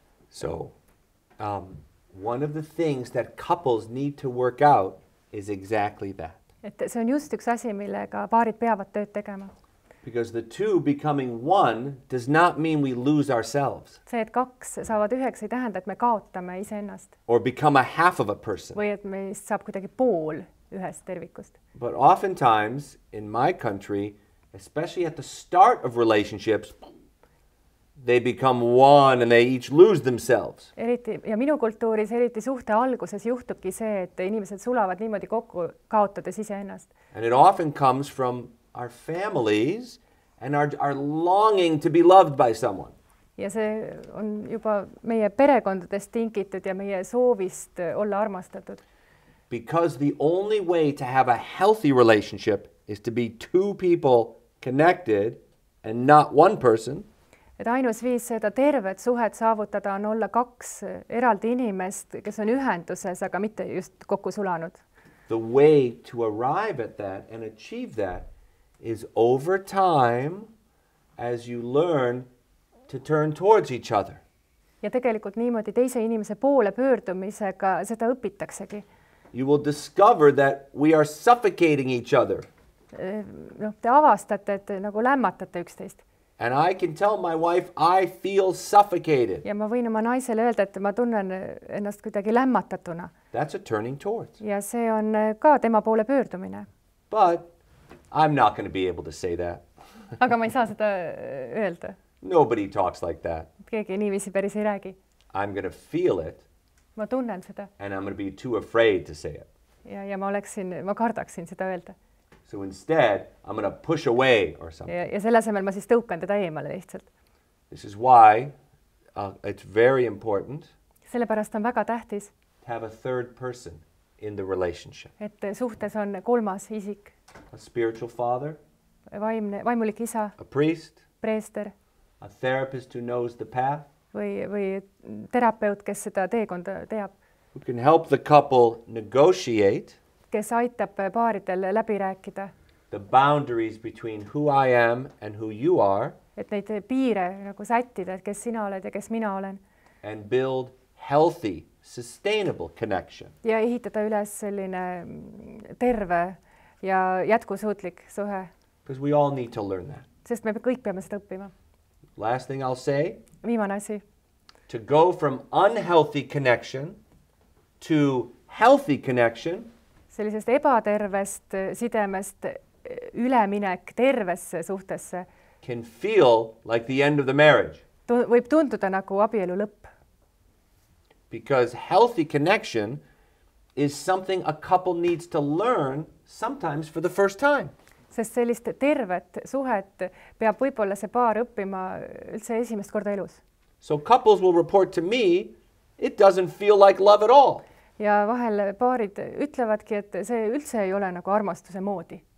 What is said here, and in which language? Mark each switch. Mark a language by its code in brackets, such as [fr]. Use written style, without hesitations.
[en] So, one of the things that couples need to work out is exactly that. [et] Et see on just üks asi, millega paarid peavad tööd tegema. [en] Because the two becoming one does not mean we lose ourselves. [et] See, et kaks saavad üheks, ei tähenda, et me kaotame ise ennast. [en] Or become a half of a person. [et] Või et meist saab kuidagi pool ühest tervikust. [en] But oftentimes in my country, especially at the start of relationships, they become one and they each lose themselves. [et] Eriti ja minu kultuuris eriti suhte alguses juhtubki see, et inimesed sulavad niimoodi kokku kaotades ise ennast. [en] And it often comes from our families and our longing to be loved by someone. [et] Ja see on juba meie perekondadest tingitud ja meie soovist olla armastatud. [en] Because the only way to have a healthy relationship is to be two people connected and not one person. [et] Et ainus viis seda terved suhet saavutada on olla kaks eraldi inimest, kes on ühenduses, aga mitte just kokku sulanud. [en] The way to arrive at that and achieve that is over time as you learn to turn towards each other. [et] Ja tegelikult niimoodi teise inimese poole pöördumisega seda õpitaksegi. [en] You will discover that we are suffocating each other. [et] Te avastate, et nagu lämmatate üksteist. [en] And I can tell my wife, I feel suffocated. [et] Ja ma võin oma naisele öelda, et ma tunnen ennast kuidagi lämmatatuna. [en] That's a turning towards. [et] Ja see on ka tema poole pöördumine. [en] But I'm not going to be able to say that. [et] Aga ma ei saa seda öelda. [en] Nobody talks like that. [et] Keegi niivisi päris ei räägi. [en] I'm going to feel it. [et] Ma tunnen seda. [en] And I'm going to be too afraid to say it. [et] Ja ma oleksin, ma kardaksin seda öelda. [en] So instead, I'm going to push away or something. [et] Ja selle asemel ma siis tõukan teda eemale lihtsalt. [en] This is why it's very important. [et] Sellepärast on väga tähtis. [en] To have a third person in the relationship. [et] Et suhtes on kolmas isik. [en] A spiritual father. [et] Vaimulik isa. [en] A priest. [et] Preester. [en] A therapist who knows the path. [et] Või terapeut, kes seda teekonda teab. [en] Who can help the couple negotiate. [et] Kes aitab paaridel läbi rääkida. [en] The boundaries between who I am and who you are. [et] Et neid piire nagu sättida, et kes sina oled ja kes mina olen. [en] And build healthy, sustainable connection. [et] Ja ehitada üles selline terve ja jätkusuutlik suhe. [en] Because we all need to learn that. [et] Sest me kõik peame seda õppima. [en] Last thing I'll say. [et] Viimane asi. [en] To go from unhealthy connection to healthy connection. [et] Sellisest ebatervest sidemest üleminek tervesse suhtesse. [en] Can feel like the end of the marriage. [et] Võib tunduda nagu abielu lõpp. [en] Because healthy connection is something a couple needs to learn sometimes for the first time. [et] Sest sellist tervet suhet peab võib-olla see paar õppima üldse esimest korda elus. [en] So couples will report to me, it doesn't feel like love at all. [et] Ja vahel paarid ütlevadki, et see üldse ei ole nagu armastuse moodi.